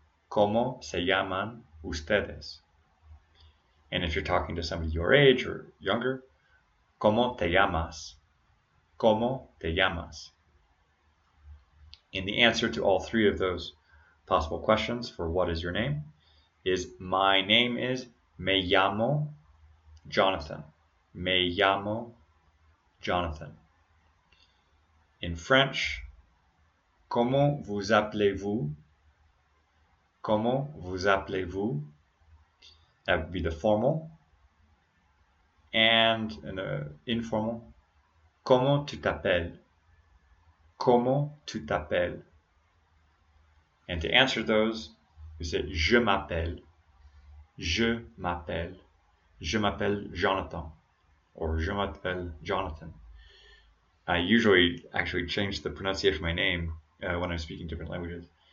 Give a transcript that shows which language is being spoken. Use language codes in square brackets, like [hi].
[es] ¿Cómo se llaman ustedes? [en] And if you're talking to somebody your age or younger, [es] ¿Cómo te llamas? ¿Cómo te llamas? [en] And the answer to all three of those possible questions for what is your name is, my name is, [es] me llamo Jonathan. Me llamo Jonathan. [en] In French, [fr] comment vous appelez-vous? Comment vous appelez-vous? [en] That would be the formal. And in the informal, [fr] comment tu t'appelles? Comment tu t'appelles? [en] And to answer those, we say, [fr] je m'appelle. Je m'appelle. Je m'appelle Jonathan. Or je m'appelle Jonathan. [en] I usually actually change the pronunciation of my name when I'm speaking different languages.